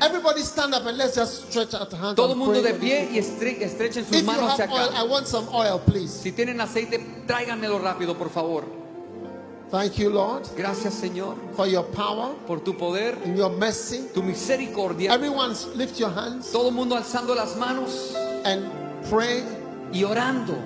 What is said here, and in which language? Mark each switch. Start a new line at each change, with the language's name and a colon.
English: Everybody stand up and let's just stretch out hands.
Spanish: Todo mundo de pie y estrechen sus manos hacia acá.
English: If you have oil, I want some oil, please.
Spanish: Si tienen aceite, tráiganmelo rápido, por favor.
English: Thank you, Lord.
Spanish: Gracias, Señor.
English: For your power.
Spanish: Por tu poder.
English: And your mercy.
Spanish: Tu misericordia.
English: Everyone, lift your hands.
Spanish: Todo mundo alzando las manos.
English: And pray.
Spanish: Y orando.